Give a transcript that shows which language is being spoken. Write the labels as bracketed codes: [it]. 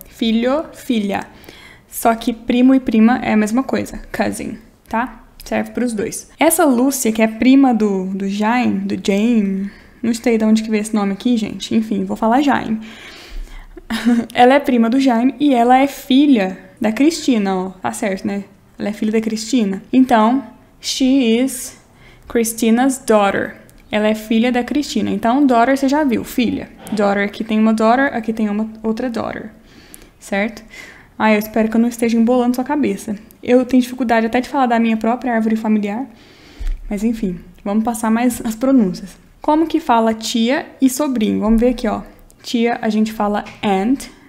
[pt] Filho, filha. Só que primo e prima é a mesma coisa, cousin, tá? Serve para os dois. Essa Lúcia, que é prima do Jaime, do Jane, não sei de onde que veio esse nome aqui, gente. Enfim, vou falar Jaime. Ela é prima do Jaime e ela é filha da Cristina, ó. Tá certo, né? Ela é filha da Cristina. [en] Então, she is Cristina's daughter. [pt] Ela é filha da Cristina. Então, daughter você já viu, filha. Daughter, aqui tem uma daughter, aqui tem uma outra daughter. Certo? Ai, eu espero que eu não esteja embolando sua cabeça. Eu tenho dificuldade até de falar da minha própria árvore familiar. Mas enfim, vamos passar mais as pronúncias. Como que fala tia e sobrinho? Vamos ver aqui, ó. Tia, a gente fala aunt.